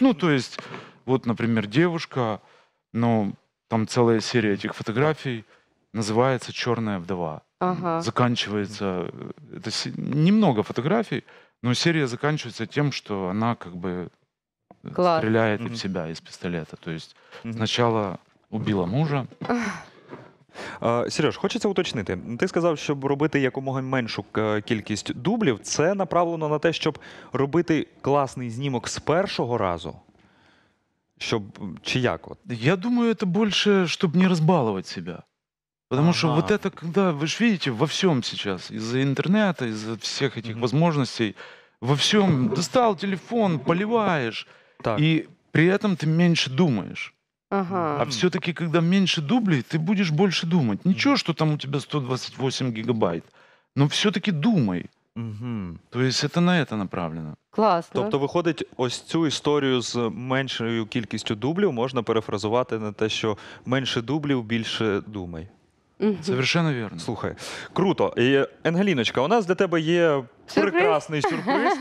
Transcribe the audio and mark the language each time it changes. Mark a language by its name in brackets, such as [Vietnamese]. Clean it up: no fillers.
[Russian] Ну, то есть, вот, например, девушка, ну, там целая серия этих фотографий, называется «Черная вдова». Ага. Заканчивается, это немного фотографий, но серия заканчивается тем, что она как бы стреляет в себя из пистолета. То есть сначала убила мужа. [Ukrainian] Сереж, хочеться уточнити. Ти сказав, щоб робити якомога меншу кількість дублів. Це направлено на те, щоб робити класний знімок з першого разу? Щоб, чи як? От? Я думаю, це більше, щоб не розбалувати себе. [Russian] Потому что вот это, когда, вы же видите, во всем сейчас, из-за интернета, из-за всех этих возможностей, во всем, достал телефон, поливаешь, так. И при этом ты меньше думаешь. А все-таки, когда меньше дублей, ты будешь больше думать. Ничего, что там у тебя 128 гигабайт, но все-таки думай. Угу. [Ukrainian] То есть це на це направлено. Класно. Тобто виходить, ось цю історію з меншою кількістю дублів можна перефразувати на те, що менше дублів, більше думай. [Russian] Совершенно верно. [Ukrainian] Слухай, круто. І, Ангеліночка, у нас для тебе є прекрасний сюрприз.